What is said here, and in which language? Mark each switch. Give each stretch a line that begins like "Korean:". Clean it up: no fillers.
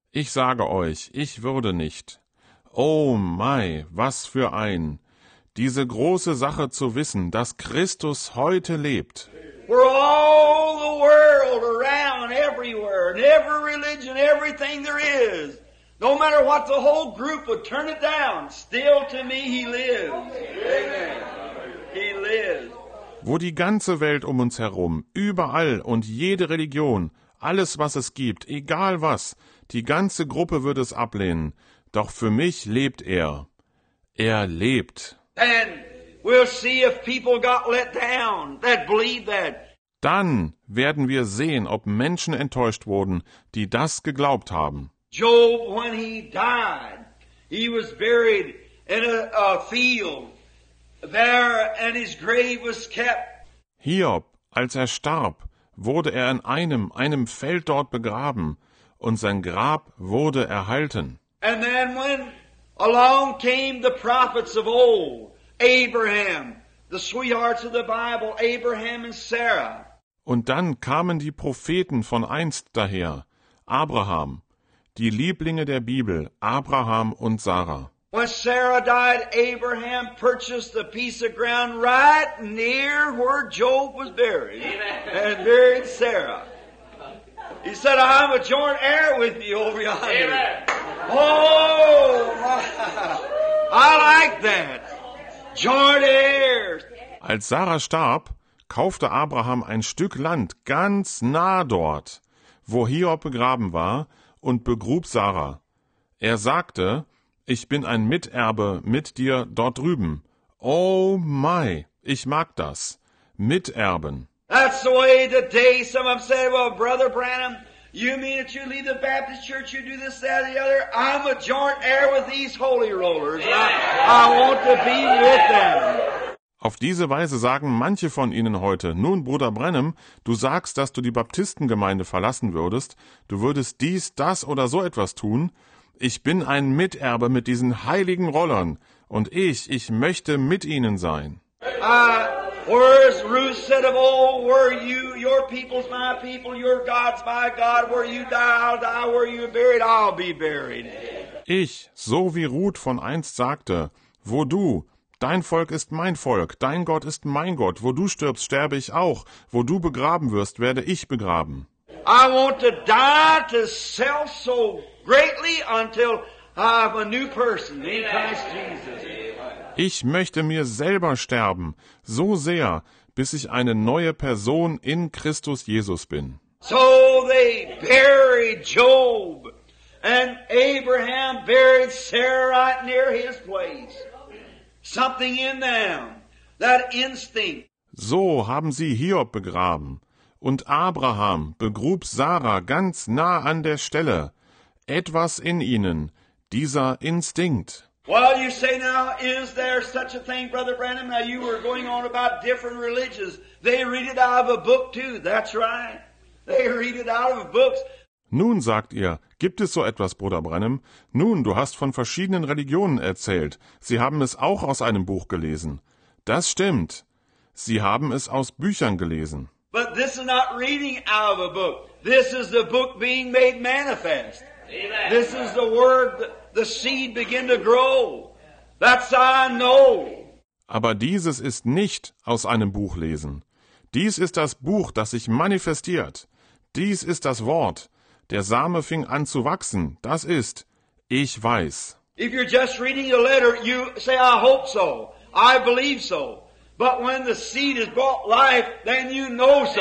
German: Ich sage euch, ich würde nicht. Oh mein, was für ein. Diese große Sache zu wissen, dass Christus heute lebt.
English: For all the world. around everywhere, and every religion, everything there is, no matter what, the whole group would turn it down. Still, to me, he lives. Amen. He lives.
German: Wo die ganze Welt um uns herum, überall und jede Religion, alles, was es gibt, egal was, die ganze Gruppe wird es ablehnen. Doch für mich lebt er. Er lebt.
English: And we'll see if people got let down that believe that.
German: Dann werden wir sehen, ob Menschen enttäuscht wurden, die das geglaubt haben.
English: Job, when he died, he was buried in a field there, and his grave was kept.
German: Hiob, als er starb, wurde er in einem Feld dort begraben, und sein Grab wurde erhalten.
English: And then when along came the prophets of old, Abraham, the sweethearts of the Bible, Abraham and Sarah.
German: Und dann kamen die Propheten von einst daher, Abraham, die Lieblinge der Bibel, Abraham und Sarah.
English: When Sarah died, Abraham purchased a piece of ground right near where Job was buried. Amen. And buried Sarah. He said, I'm a joint heir with you over yonder. Amen. Oh, I like that. Joint heirs.
German: Als Sarah starb, kaufte Abraham ein Stück Land ganz nah dort, wo Hiob begraben war, und begrub Sarah. Er sagte, ich bin ein Miterbe mit dir dort drüben.
English: Oh my,
German: ich mag das. Miterben.
English: That's the way the day some of them say, well, Brother Branham, you mean that you leave the Baptist church, you do this, that, and the other? I'm a joint heir with these holy rollers. I want to be with them.
German: Auf diese Weise sagen manche von ihnen heute, nun, Bruder Branham, du sagst, dass du die Baptistengemeinde verlassen würdest, du würdest dies, das oder so etwas tun. Ich bin ein Miterbe mit diesen heiligen Rollern und ich möchte mit ihnen sein.
English: Where is Ruth said of old, where you, your people's my people, your God's my God, where you die, I'll die, where you're buried, I'll be buried.
German: Ich, so wie Ruth von einst sagte, wo du, dein Volk ist mein Volk, dein Gott ist mein Gott, wo du stirbst, sterbe ich auch, wo du begraben wirst, werde ich begraben.
English: I want to die to self so greatly until I have a new person in Christ Jesus.
German: Ich möchte mir selber sterben, so sehr, bis ich eine neue Person in Christus Jesus bin.
English: So they buried Job, and Abraham buried Sarah right near his place. Something in them, that instinct.
German: So haben sie Hiob begraben, und Abraham begrub Sarah ganz nah an der Stelle. Etwas in ihnen, dieser Instinkt.
English: Well, you say now, is there such a thing, Brother Branham? Now, you were going on about different religions. They read it out of a book, too. That's right. They read it out of books.
German: Nun, sagt ihr, gibt es so etwas, Bruder Branham? Nun, du hast von verschiedenen Religionen erzählt. Sie haben es auch aus einem Buch gelesen. Das stimmt. Sie haben es aus Büchern gelesen.
English: But this is not reading out of a book. This is the book being made manifest. Amen. This is the word, the seed begin to grow. That's I know.
German: Aber dieses ist nicht aus einem Buch lesen. Dies ist das Buch, das sich manifestiert. Dies ist das Wort. Der Same fing an zu wachsen. Das ist, ich weiß.
English: If you're just reading a letter, you say, I hope so. I believe so. But when the seed has brought life, then you know so.